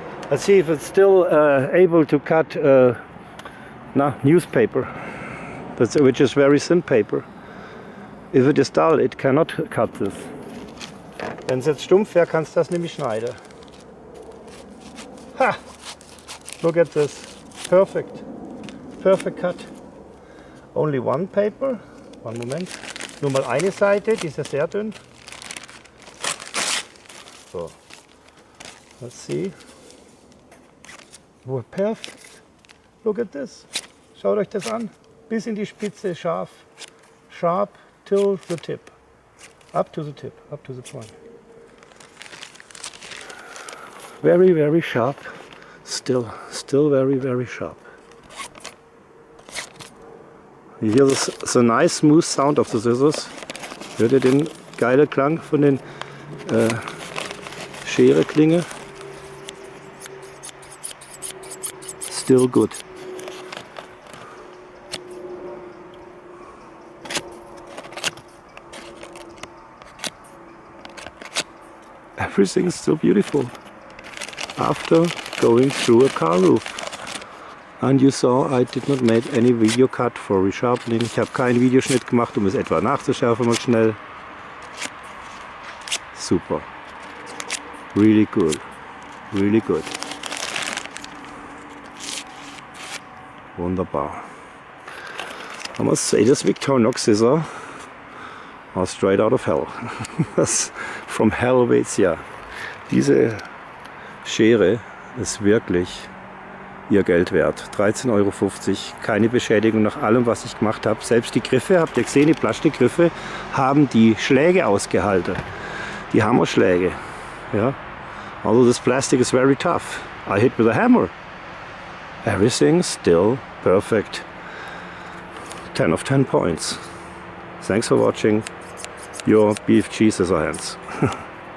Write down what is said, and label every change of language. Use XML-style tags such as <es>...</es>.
<en>Let's see if it's still able to cut newspaper. Which is very thin paper. If it is dull, it cannot cut this.</en> <de>Wenn es jetzt stumpf wäre, kannst du das nämlich schneiden.</de> <en>Ha! Look at this. Perfect. Perfect cut. Only one paper. One moment.</en> <de>Nur mal eine Seite, die ist ja sehr dünn.</de> <en>So. Let's see. We're perfect. Look at this.</en> <de>Schaut euch das an. Bis in die Spitze, scharf,</de> <en>sharp till the tip, up to the tip, up to the point. Very, very sharp, still, still very, very sharp. You hear the nice smooth sound of the scissors.</en> <de>Hört ihr den geilen Klang von den Schereklinge?</de> <en>Still good. Everything is so beautiful after going through a car roof. And you saw, I did not make any video cut for resharpening.</en> <de>Ich habe keinen Videoschnitt gemacht, um es etwa nachzuschärfen, mal schnell.</de> <en>Super. Really cool. Really good.</en> <de>Wunderbar.</de> <en>I must say, this Victorinox scissor are straight out of hell. From hell waits, yeah.</en> <de>Diese Schere ist wirklich ihr Geld wert. 13,50 Euro, keine Beschädigung nach allem, was ich gemacht habe. Selbst die Griffe, habt ihr gesehen, die Plastikgriffe haben die Schläge ausgehalten. Die Hammerschläge. Ja.</de> <en>Although this plastic is very tough, I hit with a hammer. Everything still perfect. 10 of 10 points. Thanks for watching. Your BFG Scissorhands.</en>